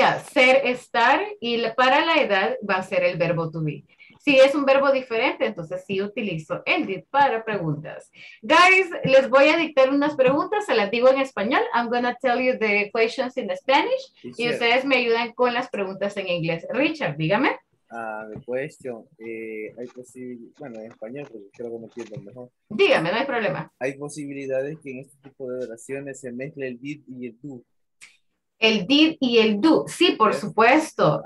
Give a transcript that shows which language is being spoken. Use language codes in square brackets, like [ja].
[es] Ser, estar. Y para la edad va a ser el verbo to be. Si es un verbo diferente, entonces sí utilizo el did para preguntas. Guys, les voy a dictar unas preguntas, se las digo en español. [en] I'm going to tell you the questions in Spanish. [es] Sí, y sir. Ustedes me ayudan con las preguntas en inglés. Richard, dígame. [en] The question. [es] Hay posibilidades, bueno, en español, porque creo que me entiendo mejor. Dígame, no hay problema. Hay posibilidades que en este tipo de oraciones se mezcle el did y el do. El did y el do. Sí, por supuesto.